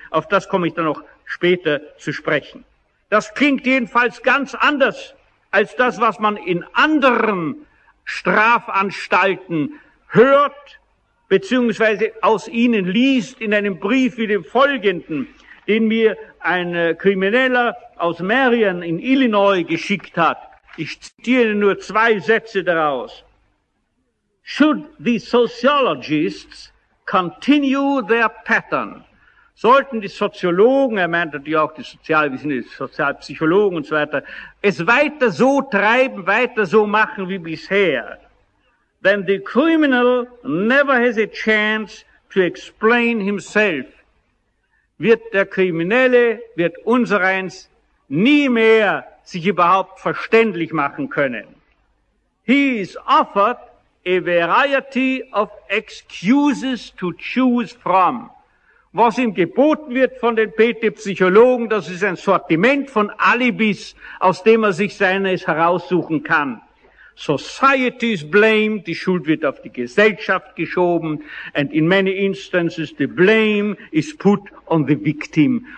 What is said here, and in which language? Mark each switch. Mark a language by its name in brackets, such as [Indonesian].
[German] Auf das komme ich dann noch später zu sprechen. Das klingt jedenfalls ganz anders als das, was man in anderen Strafanstalten hört, beziehungsweise aus ihnen liest in einem Brief wie dem folgenden, den mir ein Krimineller aus Marion in Illinois geschickt hat. Ich zitiere nur 2 Sätze daraus. [English] Should the sociologists continue their pattern? [German] Sollten die Soziologen, er meint natürlich auch die Sozialwissenschaftler, Sozialpsychologen und so weiter, es weiter so treiben, weiter so machen wie bisher, [English] then the criminal never has a chance to explain himself. [German] Wird der Kriminelle, wird unsereins nie mehr sich überhaupt verständlich machen können. [English] He is offered a variety of excuses to choose from. [German] Was ihm geboten wird von den PT-Psychologen, das ist ein Sortiment von Alibis, aus dem er sich seines heraussuchen kann. [English] Society is blamed, [German] die Schuld wird auf die Gesellschaft geschoben, [English] and in many instances the blame is put on the victim.